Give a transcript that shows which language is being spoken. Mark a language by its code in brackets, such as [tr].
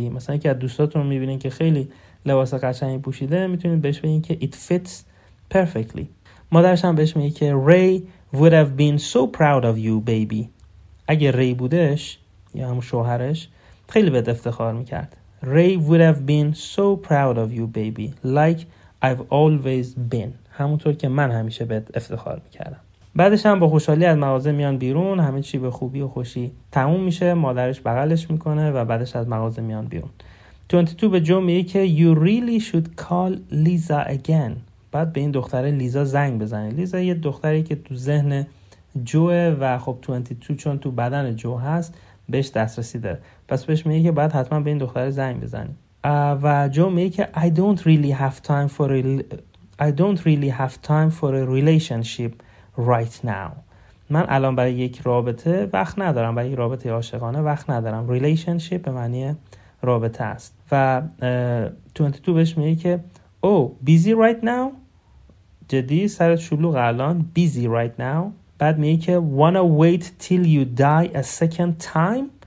[fa] مثلا اگه دوستاتون میبینین که خیلی لباس قشنگی پوشیده، میتونید بهش بگین که [en] it fits perfectly. [fa] مادرش هم بهش میگه که [en] Ray would have been so proud of you, baby. [fa] اگه ری بودش یا هم شوهرش، خیلی بهت افتخار میکرد. [en] Ray would have been so proud of you, baby. Like I've always been. [fa] همونطور که من همیشه بهت افتخار میکردم. بعدش هم با خوشحالی از مغازه میان بیرون، همه چی به خوبی و خوشی تموم میشه، مادرش بغلش میکنه و بعدش از مغازه میان بیرون. 22 به جو میگه که [en] You really should call Lisa again. [fa] بعد به این دختره لیزا زنگ بزنه. لیزا یه دختری که تو ذهن جوه و خب 22 چون تو بدن جو هست بهش دسترسی داره، پس بهش میگه که بعد حتما به این دختره زنگ بزنی. و جو میگه که [en] I don't really have time for I don't really have time for a relationship right now. [fa] من الان برای یک رابطه وقت ندارم، برای یک رابطه عاشقانه وقت ندارم. Relationship به معنی رابطه است. و 22 بهش میگه که [en] Oh, busy right now. [fa] جدی سرت شلوغ الان. [en] Busy right now. [fa] بعد میگه که [en] Wanna wait till you die a second time.